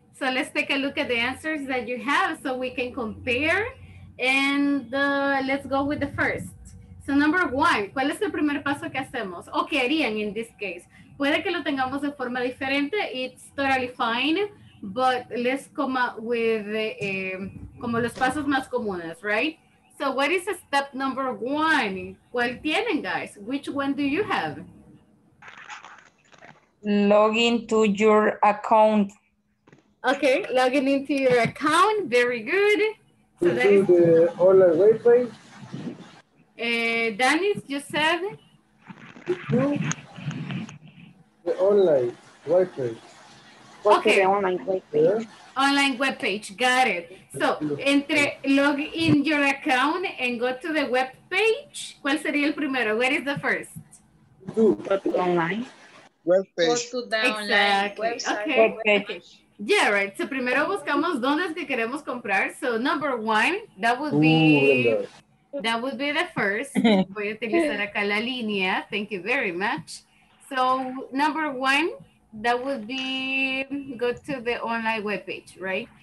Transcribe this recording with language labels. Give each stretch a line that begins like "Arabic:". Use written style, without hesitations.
English: So let's take a look at the answers that you have so we can compare. And let's go with the first. So number one,
Spanish: ¿cuál es el primer paso que hacemos? ¿O qué harían
English: in this case?
Spanish: Puede que lo tengamos de forma diferente.
English: It's totally fine. But let's come up with
Spanish: como los pasos más comunes,
English: right? So what is step number one?
Spanish: ¿Cuál tienen,
English: guys? Which one do you have? Login to your account. Okay, logging into your account. Very good. So that is the online Wi-Fi. Dennis, you said? The online Wi-Fi. Okay, online web page. Got it. So, entre log in your account and go to the web page,
Spanish: ¿cuál sería el primero?
English: Where is the first? Do online. Web page. Go to the exactly. Online website. Okay. Web page. Yeah, right.
Spanish: So, primero buscamos dónde es que queremos comprar.
English: So, number one, that would be the first.
Spanish: Voy a utilizar acá la línea.
English: Thank you very much. So, number one, that would be go to the online webpage, right?